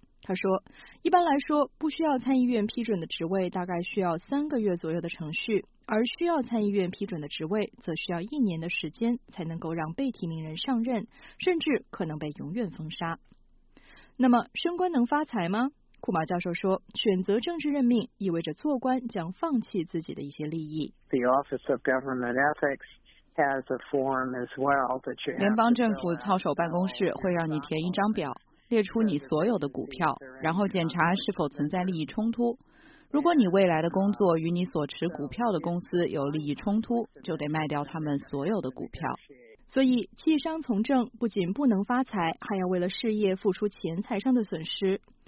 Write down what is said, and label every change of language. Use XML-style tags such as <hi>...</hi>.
<zh>他说，一般来说，不需要参议院批准的职位大概需要三个月左右的程序，而需要参议院批准的职位则需要一年的时间才能够让被提名人上任，甚至可能被永远封杀。那么，升官能发财吗？库马教授说，选择政治任命意味着做官将放弃自己的一些利益。</zh> <en>The Office of Government Ethics has a form as well that you have.</en> <zh>联邦政府操守办公室会让你填一张表，列出你所有的股票，然后检查是否存在利益冲突。如果你未来的工作与你所持股票的公司有利益冲突，就得卖掉他们所有的股票。所以，弃商从政不仅不能发财，还要为了事业付出钱财上的损失。</zh>